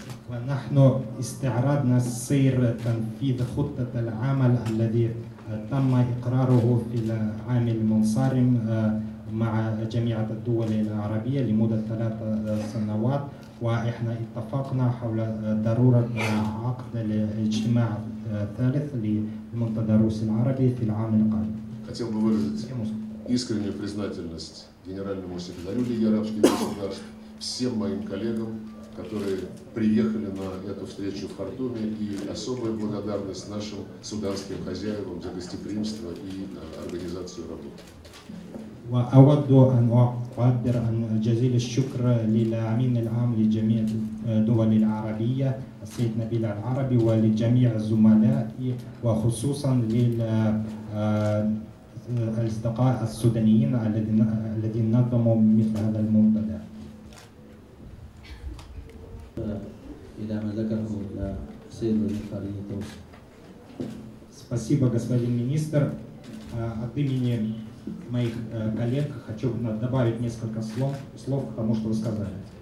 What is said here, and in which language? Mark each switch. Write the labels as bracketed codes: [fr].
[ar] ونحن استعرضنا سير تنفيذ خطة العمل الذي تم إقراره في العام المنصرم مع جميع الدول العربية لمدة 3 سنوات. واحنا اتفقنا حول ضرورة عقد الاجتماع الثالث لمنتدى الروس العربي في العام القادم. [ru] Хотел бы выразить искреннюю признательность генеральному секретарю Лиги арабских государств, всем моим коллегам, которые приехали на эту встречу в Хартуме, и особую благодарность нашим суданским хозяевам за гостеприимство и организацию работы. [ar] وأود أن أعبر عن جزيل الشكر للأمين العام لجميع الدول العربية السيد نبيل العربي ولجميع الزملاء وخصوصا للأصدقاء السودانيين الذين نظموا مثل هذا المنتدى. إذا ما ذكره السيد الخليفة. [ru] Спасибо, господин министр. От имени моих коллег хочу добавить несколько слов к тому, что вы сказали.